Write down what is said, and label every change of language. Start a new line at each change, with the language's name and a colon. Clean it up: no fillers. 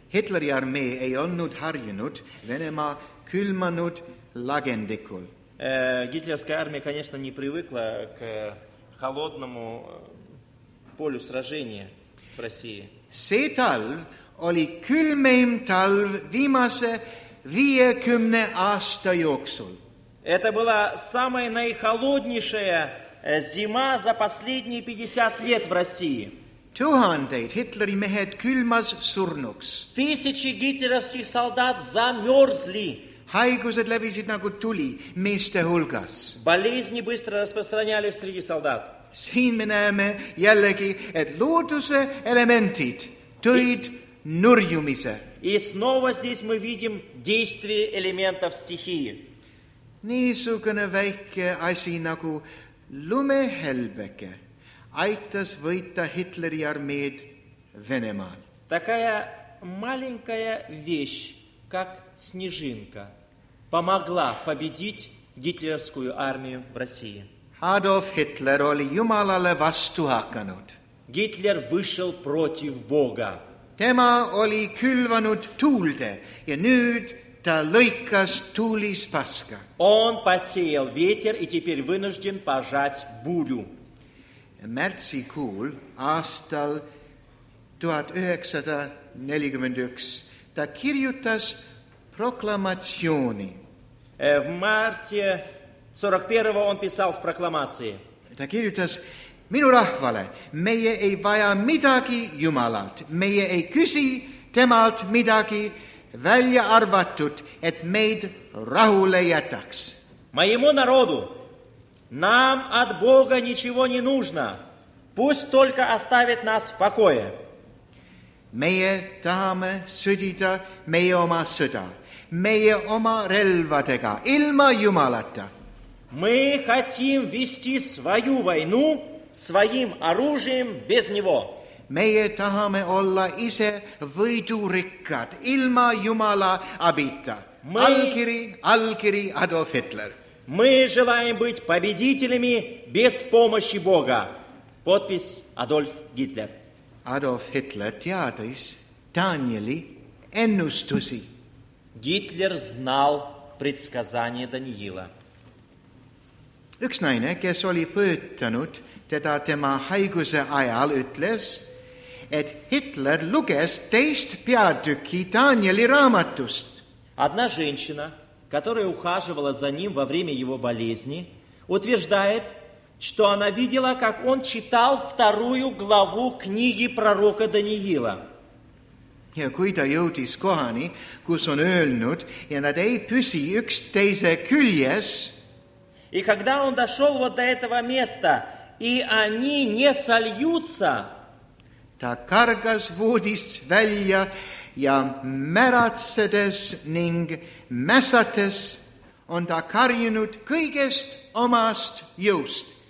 Estonian: Hitleri armee ei olnud harjunud Venema külmanud lagendikul.
Russian: Гитлерская армия, конечно, не привыкла к холодному полю сражения в России.
Estonian: See talv oli külmeim talv viimase 50 aasta jooksul.
Russian: Это была самая наихолоднейшая зима за последние 50 лет в России.
Estonian: Tuhandeid Hitleri mehed külmas surnuks.
Russian: Тысячи гитлеровских солдат замерзли.
Estonian: Haigused levisid nagu tuli meeste hulgas.
Russian: Болезни быстро распространялись среди солдат.
Estonian: Siin me näeme jällegi, et looduse elementid tõid nurjumise.
Russian: И снова здесь мы видим действие элементов стихии.
Estonian: Niisugune väike asi nagu lumehelbeke aitas võita Hitleri armeed Venemaal.
Russian: Такая маленькая вещь, как снежинка, помогла победить гитлеровскую армию в России.
Estonian: Adolf Hitler oli Jumalale vastu hakanud.
Russian: Hitler vышел против Бога.
Estonian: Tema oli külvanud tuulde ja nüüd ta lõikas tuulis paska.
Russian: Он посеял ветер и теперь вынужден пожать бурю.
Estonian: Märtsikuul aastal 1941 ta kirjutas proklamatsiooni.
Russian: В марте 41-го он писал в прокламации.
Estonian: Ta kirjutas minu rahvale, meie ei vaja midagi Jumalalt, meie ei küsi temalt midagi, välja arvatud, et meid rahule jätaks.
Russian: Моему народу, нам от Бога ничего не нужно, пусть только оставит нас в покое.
Estonian: Meie tahame sõdida meie oma sõda, meie oma relvadega, ilma Jumalata.
Russian: Мы хотим вести свою войну своим оружием без него.
Estonian: Meie tahame olla ise võidurikkad, ilma Jumala abita. Allkiri Adolf Hitler.
Russian: Мы желаем быть победителями без помощи Бога. Подпись Adolf Hitler.
Estonian: Adolf Hitler teadis Danieli ennustusi.
Russian: Hitler знал предсказание Даниила.
Estonian: Üks naine, kes oli põetanud teda tema haiguse ajal, ütles, et Hitler luges teist peatükki Danieli raamatust.
Russian: Одна женщина, которая ухаживала за ним во время его болезни, утверждает, что она видела, как он читал вторую главу книги пророка Даниила.
Estonian: Ja kui ta jõudis kohani, kus on öelnud, ja nad ei püsi üks teise küljes,
Russian: и когда он дошел вот до этого места, и они не сольются,
Estonian: ta kargas voodist välja ja märatsedes ning mäsates on ta karjunud kõigest omast jõust.